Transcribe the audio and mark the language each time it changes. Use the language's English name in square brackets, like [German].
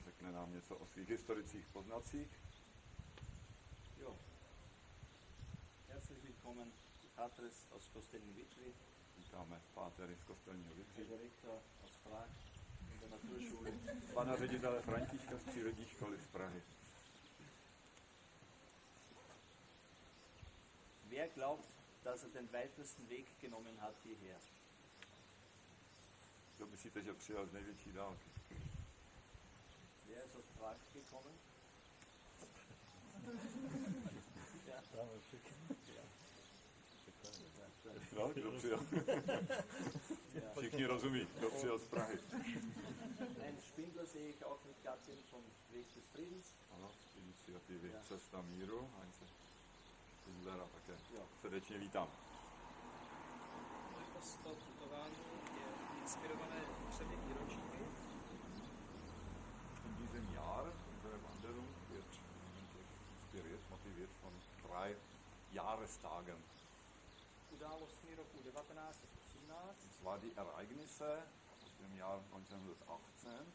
[Czech] Řekne nám něco o svých historických poznacích. Jo. [German] Herzlich willkommen, Patres aus Kostelní Vitry. [Czech] Vítáme pátery z Kostelního Vitry. [German] Direktor aus Prag, in der Naturschule. [Czech] Pana ředitele Františka z přírodní školy z Prahy. [German] Wer glaubt, dass er den weitesten Weg genommen hat hierher? [Czech] Kdo myslíte, že přijel z největší dálky? [German] Wer ist aus Prag gekommen? Ja. [Czech] No, kdo přijel? Všichni rozumí, kdo přijel z Prahy. [German] Nein, Spindler sehe ich auch mit Gattin vom Weg des Friedens. [Czech] Ano, iniciativy Cesta míru, Heinze. Zdára také. Jo. Srdečně vítám. Letos to putování je inspirované třemi výročíky. [German] In diesem Jahr, unsere Wanderung, wird inspiriert, motiviert von drei Jahrestagen. Událostní roku 1918. Es war die Ereignisse aus dem Jahr 1918.